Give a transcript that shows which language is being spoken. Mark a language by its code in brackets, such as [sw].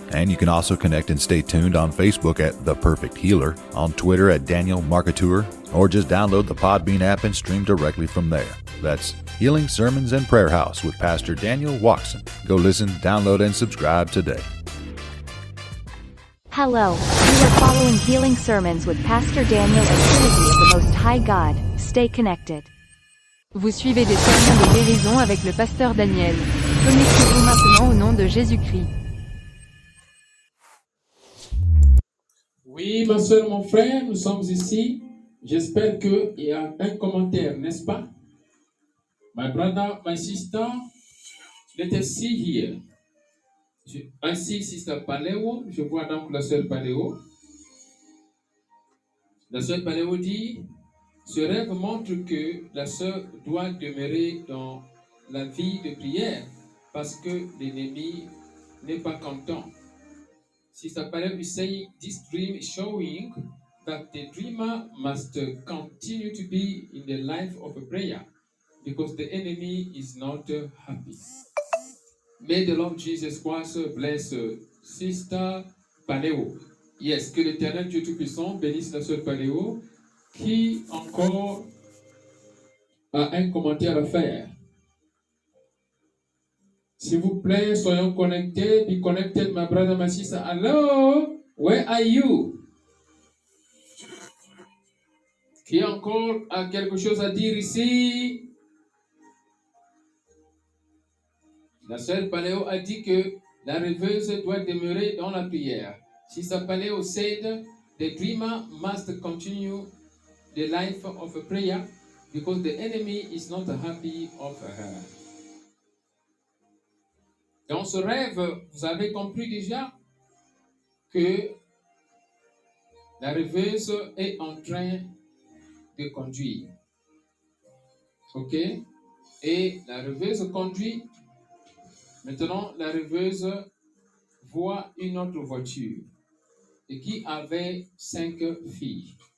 [en] And you can also connect and stay tuned on Facebook at The Perfect Healer, on Twitter at Daniel Marketeur, or just download the Podbean app and stream directly from there. That's Healing Sermons and Prayer House with Pastor Daniel Watson. Go listen, download, and subscribe today. Hello, you are following Healing Sermons with Pastor Daniel of Trinity of the Most High God. Stay connected. [fr] Vous suivez des sermons de guérison avec le pasteur Daniel. Connectez-vous maintenant au nom de Jésus-Christ. Oui, ma soeur, mon frère, nous sommes ici. J'espère qu'il y a un commentaire, n'est-ce pas? [en] My brother, my sister, Let us see here. [fr] Ainsi, Sister Paléo, je vois donc la sœur Paléo. La sœur Paléo dit, ce rêve montre que la sœur doit demeurer dans la vie de prière parce que l'ennemi n'est pas content. [en] Sister Paléo is saying, this dream is showing that the dreamer must continue to be in the life of a prayer because the enemy is not happy. May the Lord Jesus Christ bless Sister Paléo. [fr] Yes, que l'Éternel Dieu Tout-Puissant bénisse la sœur Paléo qui encore a un commentaire à faire. S'il vous plaît, soyons connectés. [en] Be connected, my brother, my sister. Hello, where are you? [fr] Qui encore a quelque chose à dire ici? La sœur Paléo a dit que la rêveuse doit demeurer dans la prière. [en] Sister Paléo said, the dreamer must continue the life of a prayer because the enemy is not happy of her. [fr] Dans ce rêve, vous avez compris déjà que la rêveuse est en train de conduire. Ok? Et la rêveuse conduit. Maintenant, la rêveuse voit une autre voiture et qui avait 5 filles.